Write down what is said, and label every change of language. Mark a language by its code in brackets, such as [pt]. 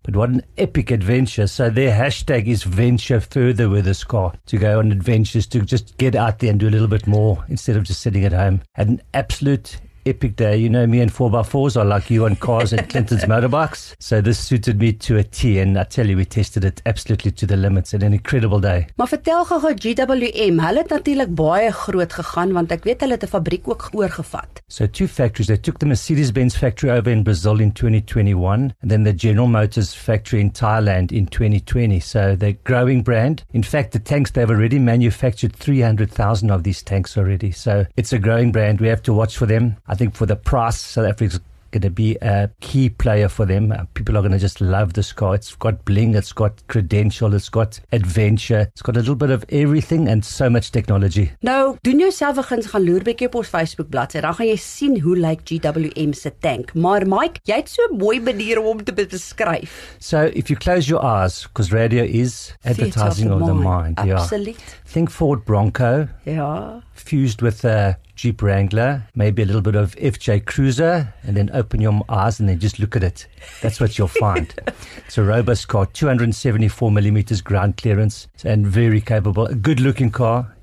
[en] But what an epic adventure. So their hashtag is venture further with this car, to go on adventures, to just get out there and do a little bit more instead of just sitting at home. Had an absolute epic day. You know me and 4x4s are like you on cars and Clinton's motorbikes. So this suited me to a T, and I tell you, we tested it absolutely to the limits, and an incredible day. [af] Maar vertel gou GWM, hulle het natuurlik baie groot gegaan, want ek weet hulle het 'n fabriek ook oorgevat. [en] So two factories, they took the Mercedes-Benz factory over in Brazil in 2021, and then the General Motors factory in Thailand in 2020. So they're growing brand. In fact, the tanks, they've already manufactured 300,000 of these tanks already. So it's a growing brand. We have to watch for them. I think for the price, South Africa's going to be a key player for them. People are going to just love this car. It's got bling, it's got credential, it's got adventure. It's got a little bit of everything and so much technology. [af] Nou, doen jouself eens gaan loer bietjie op ons Facebook bladsy, dan gaan jy sien hoe lyk GWM se tank. Maar Mike, jy het so 'n mooi manier om te beskryf. [en] So, if you close your eyes, because radio is advertising of the mind. Absolutely. Yeah. Think Ford Bronco. Yeah. Fused with a Jeep Wrangler, maybe a little bit of FJ Cruiser, and then open your eyes and then just look at it. That's what you'll find. It's a robust car, 274 millimeters ground clearance, and very capable. A good looking car.